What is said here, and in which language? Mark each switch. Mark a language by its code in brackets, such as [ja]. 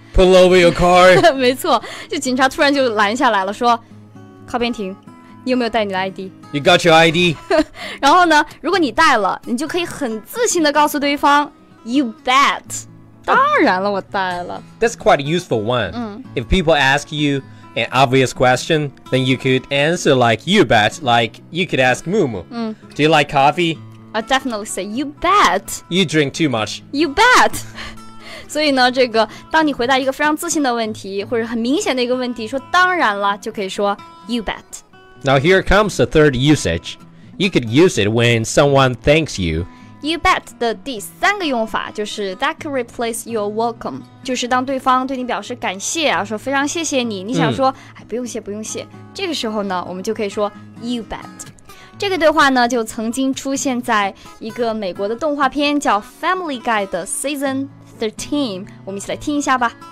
[en] Pull over your car [zh] 没错，就警察突然就拦下来了说靠边停，你有没有带你的 ID？ [en] You got your ID [zh] 然后呢如果你带了你就可以很自信的告诉对方 [en] You bet [zh] 当然了我带了。 [en] That's quite a useful one、嗯、 If people ask you an obvious question then you could answer like you bet, like you could ask Moo Moo、嗯、 Do you like coffee? I definitely say, you bet. You drink too much. You bet. [zh] 所以呢，这个当你回答一个非常自信的问题，或者很明显的一个问题，说当然了，就可以说 [en] you bet. Now here comes the third usage. You could use it when someone thanks you. You bet [zh] 的第三个用法就是 [en] that could replace your welcome. [zh] 就是当对方对你表示感谢啊，说非常谢谢你，你想说、嗯、哎，不用谢，不用谢。这个时候呢，我们就可以说 [en] you bet. [zh] 这个对话呢就曾经出现在一个美国的动画片叫 Family Guy 的 Season 13，我们一起来听一下吧。